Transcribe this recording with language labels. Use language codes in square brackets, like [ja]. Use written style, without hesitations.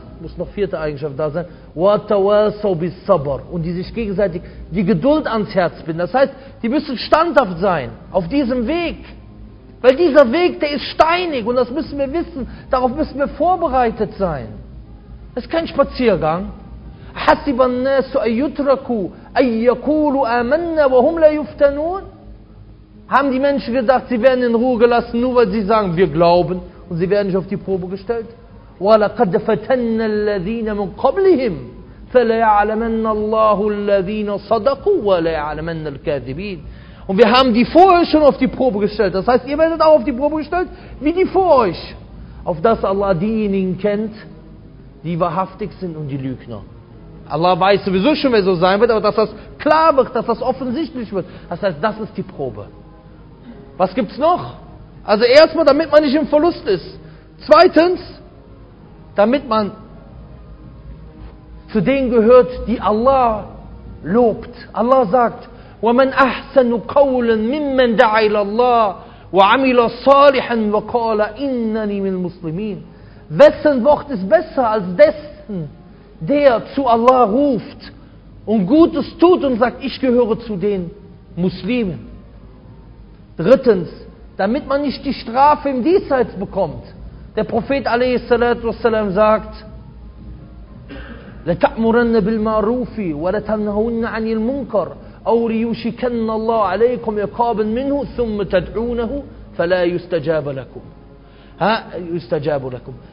[de] Muss noch vierte Eigenschaft da sein. Und die sich gegenseitig die Geduld ans Herz binden. Das heißt, die müssen standhaft sein auf diesem Weg. Weil dieser Weg, der ist steinig und das müssen wir wissen. Darauf müssen wir vorbereitet sein. Das ist kein Spaziergang. [ar] حسب الناس أن يتركوا أن يقولوا آمنا وهم لا يفتنون. [de] Haben die Menschen gedacht, sie werden in Ruhe gelassen, nur weil sie sagen, wir glauben, und sie werden nicht auf die Probe gestellt? [ar] ولقد فتن الذين من قبلهم فليعلمن الله الذين صدقوا وليعلمن الكاذبين. [de] Und wir haben die vor euch schon auf die Probe gestellt. Das heißt, ihr werdet auch auf die Probe gestellt, wie die vor euch. Auf das Allah diejenigen kennt, die wahrhaftig sind und die Lügner. Allah weiß sowieso schon, wer so sein wird, aber dass das klar wird, dass das offensichtlich wird. Das heißt, das ist die Probe. Was gibt's noch? Also erstmal, damit man nicht im Verlust ist. Zweitens, damit man zu denen gehört, die Allah lobt. [ar] Allah sagt, وَمَنْ أَحْسَنُ قَوْلًا مِمَّنْ دَعَى إِلَى اللَّهِ وَعَمِلَ صَالِحًا وَقَالَ إِنَّنِي مِنَ الْمُسْلِمِينَ. [de] Wessen Wort ist besser als dessen, der zu Allah ruft und Gutes tut und sagt, ich gehöre zu den Muslimen. Drittens, damit man nicht die Strafe im Diesseits bekommt. [ar] Der Prophet a.s. sagt, لَتَأْمُرَنَّ بِالْمَعْرُوفِ وَلَتَنْهَوْنَّ عَنِ الْمُنْكَرِ أَوْ لِيُشِكَنَّ اللَّهُ عَلَيْكُمْ يَقَابًا مِنْهُ ثُمَّ تَدْعُونَهُ فَلَا يُسْتَجَابَ لَكُمْ.